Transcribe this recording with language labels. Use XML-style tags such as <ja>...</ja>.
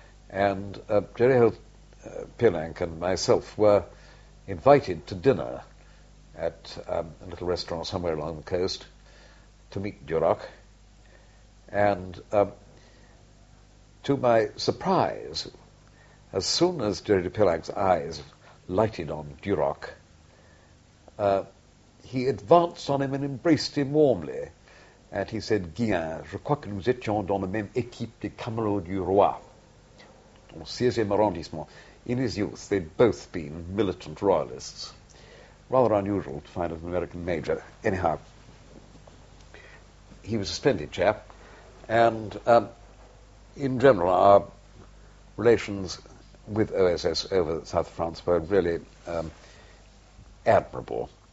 <en>And Jerry Hill Pirlank and myself were invited to dinner at a little restaurant somewhere along the coast to meet Duroc. And to my surprise, as soon as Jerry Pirlank's eyes lighted on Duroc, he advanced on him and embraced him warmly. And he said,</en> <fr>Guillain, je crois que nous étions dans la même équipe des Camelots du Roi, au 16e arrondissement.</fr> <en>In his youth, they'd both been militant royalists. Rather unusual to find an American major. Anyhow, he was a splendid chap. And in general, our relations with OSS over the south of France were really admirable.</en>